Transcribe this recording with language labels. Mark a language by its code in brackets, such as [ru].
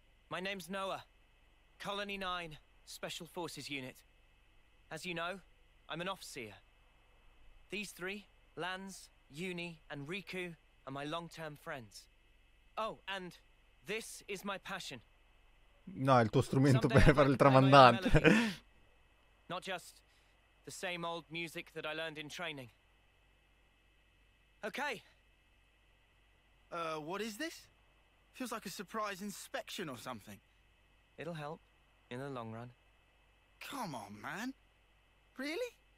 [en] My name's Noah. Colony 9, Special Forces Unit. As you know, I'm an officer. These three, Lanz, Uni, and Riku, are my long-term friends. Oh, and this is my passion. [it] No, il tuo strumento per fare il tramandante. [en] Not just the same old music that I learned in training. Okay. What is this? Feels like a surprise inspection or something. It'll help. In the long run. Come on, man. Really?